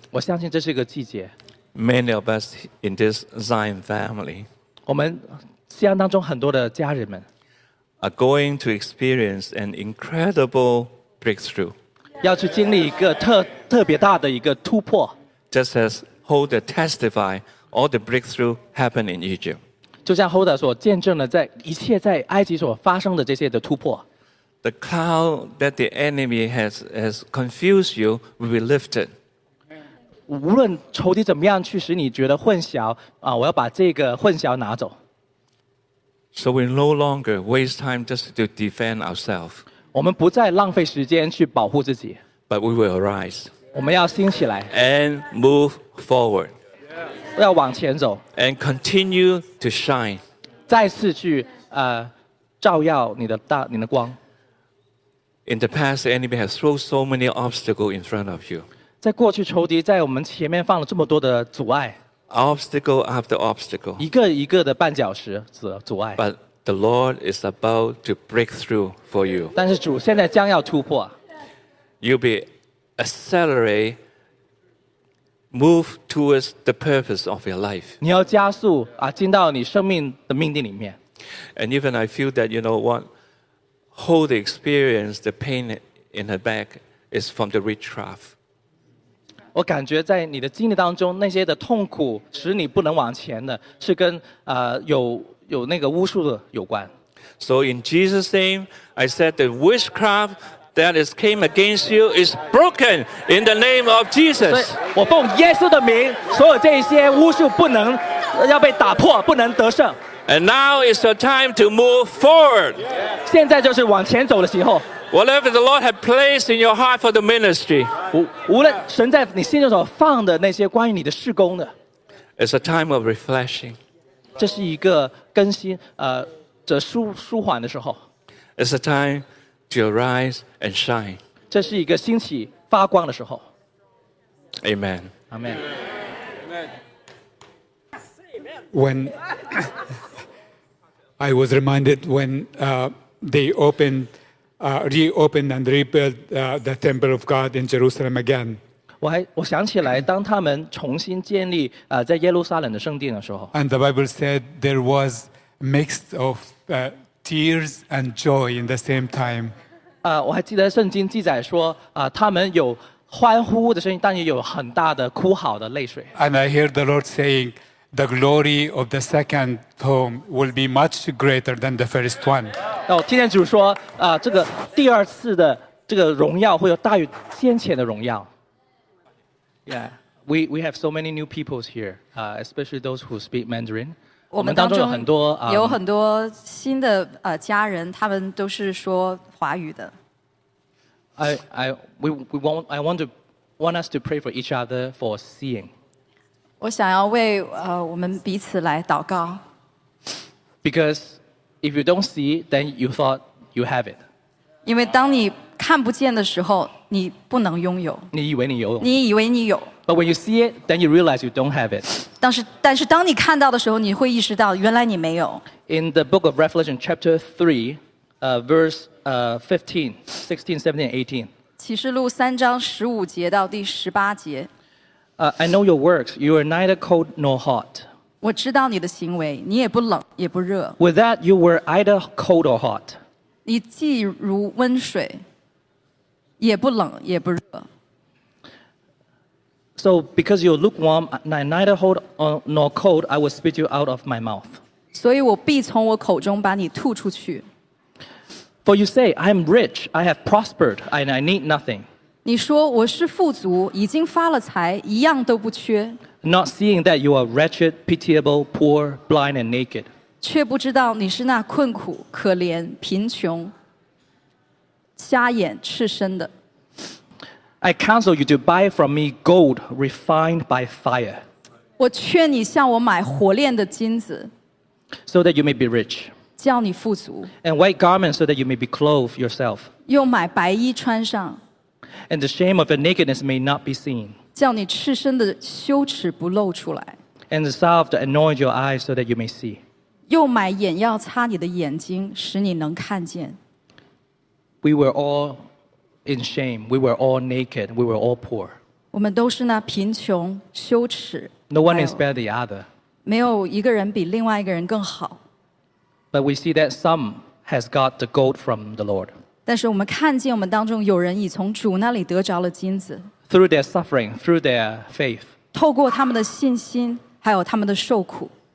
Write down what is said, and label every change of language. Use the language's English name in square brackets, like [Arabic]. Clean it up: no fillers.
[Chinese] 我相信这是一个季节。 [English] Many of us in this Zion family. [Chinese] 我们西安当中很多的家人们。 [English] Are going to experience an incredible breakthrough. [Chinese] 要去经历一个特别大的一个突破 [English] Just as Hoda testified all the breakthrough happened in Egypt [Chinese] 就像 Hoda 所见证了在一切在埃及所发生的这些的突破 [English] The cloud that the enemy has confused you will be lifted [Chinese] 无论仇敌怎么样去使你觉得混淆、啊、我要把这个混淆拿走 [English] So we no longer waste time just to defend ourselves [Chinese] 我们不再浪费时间去保护自己 [English] But we will arise [Chinese] 我们要兴起来 [English] And move forward [Chinese] 要往前走 [English] And continue to shine [Chinese] 再次去、照耀你的光 [English] In the past, the enemy has thrown so many obstacles in front of you [Chinese] 在过去仇敌在我们前面放了这么多的阻碍 [English] Obstacle after obstacle [Chinese] 一个一个的绊脚石阻碍 [English] ButThe Lord is about to break through for you. [Chinese] 但是主现在将要突破。 [English] You'll be accelerate, move towards the purpose of your life. [Chinese] 你要加速啊，进到你生命的命定里面。 [English] And even I feel that you know what, hold the experience, the pain in her back is from the witchcraft. [Chinese] 我感觉在你的经历当中，那些的痛苦使你不能往前的，是跟有那个巫术的有关。 [English] So in Jesus' name, I said the witchcraft that has came against you is broken in the name of Jesus. [Chinese] 我奉耶稣的名，所有这些巫术不能要被打破，不能得胜。 [English] And now is the time to move forward. [Chinese] 现在就是往前走的时候。 [English] Whatever the Lord had placed in your heart for the ministry, [Chinese] 无论神在你心中所放的那些关于你的事工的 [English] ，It's a time of refreshing. [Chinese] 这是一个更新，这舒缓的时候。 [English] It's a time to arise and shine. [Chinese] 这是一个兴起发光的时候。 [English] Amen. Amen. Amen. When I was reminded when they reopened and rebuilt the temple of God in Jerusalem again. [Chinese] 我想起来，当他们重新建立在耶路撒冷的圣殿的时候 [English] ，And the Bible said there was mixed of tears and joy in the same time。 [Chinese] 我还记得圣经记载说他们有欢呼的声音，但也有很大的哭嚎的泪水。 [English] And I hear the Lord saying the glory of the second home will be much greater than the first one。 [Chinese] 那我听见主说这个第二次的这个荣耀会有大于先前的荣耀。 [English] Yeah, we have so many new peoples here, especially those who speak Mandarin. [Chinese] 我们当中有很多新的家人，他们都是说华语的。 [English] I want us to pray for each other for seeing. [Chinese] 我想要为我们彼此来祷告。 [English] Because if you don't see, then you thought you have it. [Chinese] 因为当你看不见的时候。你不能拥有。你以为你有。你以为你有。 [English] But when you see it, then you realize you don't have it. [Chinese] 但是当你看到的时候，你会意识到原来你没有。 [English] In the book of Revelation, chapter 3, verse 15, 16, 17, 18. [Chinese] 启示录三章十五节到第十八节。 [English] I know your works. You are neither cold nor hot. [Chinese] 我知道你的行为，你也不冷也不热。 [English] With that, you were either cold or hot. [Chinese] 你既如温水，也不冷也不热。 [English] So because you're lukewarm, neither hot nor cold, I will spit you out of my mouth. [Chinese] 所以我必从我口中把你吐出去。 [English] For you say, I am rich, I have prospered, and I need nothing. [Chinese] 你说我是富足，已经发了财，一样都不缺。 [English] Not seeing that you are wretched, pitiable, poor, blind, and naked. [Chinese] 却不知道你是那困苦、可怜、贫穷、瞎眼、赤身的。 [English] I counsel you to buy from me gold refined by fire. [Chinese] 我劝你向我买火炼的金子。 [English] So that you may be rich. [Chinese] 叫你富足。 [English] And white garments so that you may be clothed yourself. [Chinese] 又买白衣穿上。 [English] And the shame of your nakedness may not be seen. [Chinese] 叫你赤身的羞耻不露出来。 [English] And the salve to anoint your eyes so that you may see. [Chinese] 又买眼药擦你的眼睛，使你能看见。 [English] We were all in shame. We were all naked. We were all poor. [Chinese] 我们都是那贫穷、羞耻。 [English] No one is better than the other. [Chinese] 没有一个人比另外一个人更好。 [English] But we see that some has got the gold from the Lord. [Chinese] 但是我们看见我们当中有人已从主那里得着了金子。 [English] Through their suffering, through their faith. [Chinese] 透过他们的信心，还有他们的受苦。